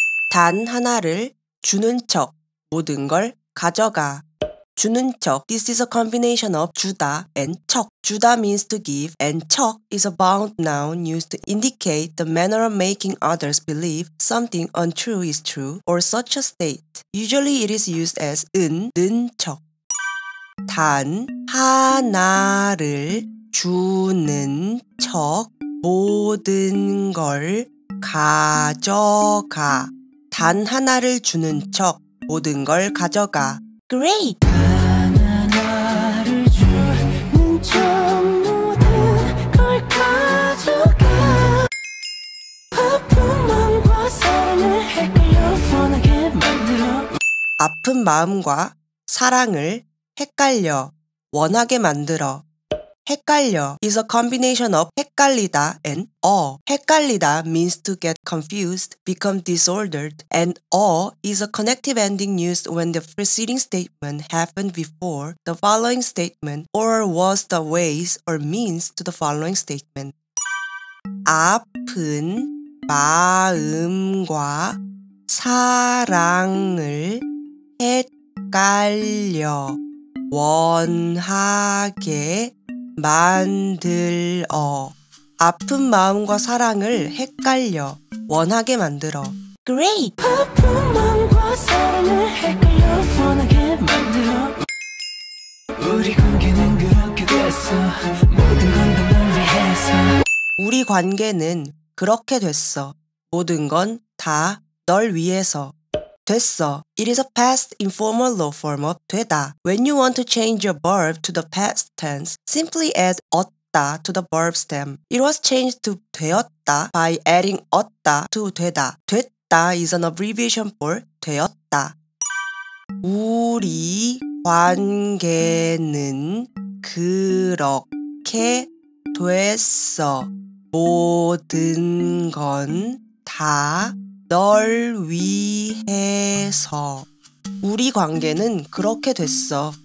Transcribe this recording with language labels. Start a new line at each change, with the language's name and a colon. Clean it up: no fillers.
Korean: 단 하나를 주는 척, 모든 걸 가져가. 주는 척,
English: this is a combination of 주다 and 척. 주다 means to give, and 척 is a bound noun used to indicate the manner of making others believe something untrue is true or such a state. Usually it is used as 은 척.
Korean: 단 하나를 주는 척, 모든 걸 가져가. 단 하나를 주는 척, 모든 걸 가져가.
English: Great!
Korean: 단 하나를 주는 척, 모든 걸 가져가. 아픈 마음과 사랑을 헷갈려 원하게 만들어. 아픈 마음과 사랑을 헷갈려 원하게 만들어.
English: 헷갈려 is a combination of 헷갈리다 and 어. 헷갈리다 means to get confused, become disordered, and 어 is a connective ending used when the preceding statement happened before the following statement or was the ways or means to the following statement.
Korean: 아픈 마음과 사랑을 헷갈려 원하게 만들어. 아픈 마음과 사랑을 헷갈려 원하게 만들어.
English: Great!
Korean: 아픈 마음과 사랑을 헷갈려 원하게 만들어. 우리 관계는 그렇게 됐어. 모든 건 다 널 위해서. 우리 관계는 그렇게 됐어. 모든 건 다 널 위해서. 됐어.
English: It is a past informal law form of 되다. When you want to change your verb to the past tense, simply add 었다 to the verb stem. It was changed to 되었다 by adding 었다 to 되다. 됐다 is an abbreviation for 되었다.
Korean: 우리 관계는 그렇게 됐어. 모든 건 다 널 위해서. 우리 관계는 그렇게 됐어.